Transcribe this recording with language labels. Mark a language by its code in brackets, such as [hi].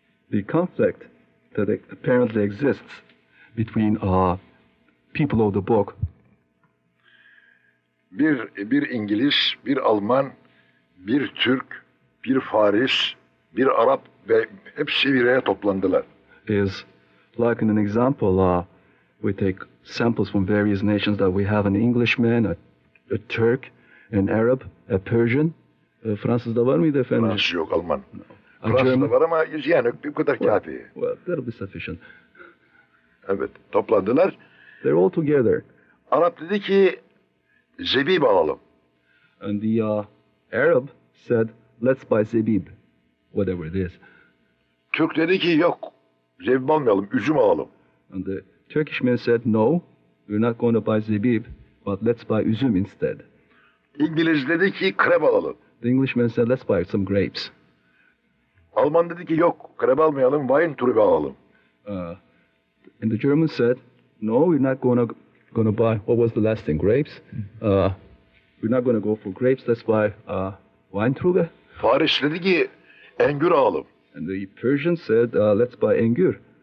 [en] The conflict that apparently exists between people of the book. [tr] Bir İngiliz, bir Alman, bir Türk, bir Faris, bir Arap ve hepsi bir araya toplandılar. [en] Is like in an example, we take samples from various nations that we have: an Englishman, a Turk, an Arab, a Persian. [tr] Fransız da var mıydı efendim? Fransız yok, Alman. Fransız da var ama yani bir kadar kafi. [en] Well, that'll be sufficient. [tr] Evet, toplandılar. [en] They're all together. [tr] Arap dedi ki, zebib alalım. [en] And the Arab said, let's buy zebib, whatever it is. [tr] Türk dedi ki, yok, zebib almayalım, üzüm alalım. [en] And the Turkish man said, no, we're not going to buy zebib, but let's buy üzüm instead. [tr] İngiliz dedi ki, krep alalım. [en] The Englishman said, let's buy some grapes. [tr] Alman dedi ki yok, krebe almayalım, wine turbe alalım. [en] And the German said, no, we're not gonna buy, what was the last thing, grapes? We're not gonna go for grapes, let's buy wine turbe. [tr] Faris dedi ki, engür alalım. [en] And the Persian said, let's buy engür.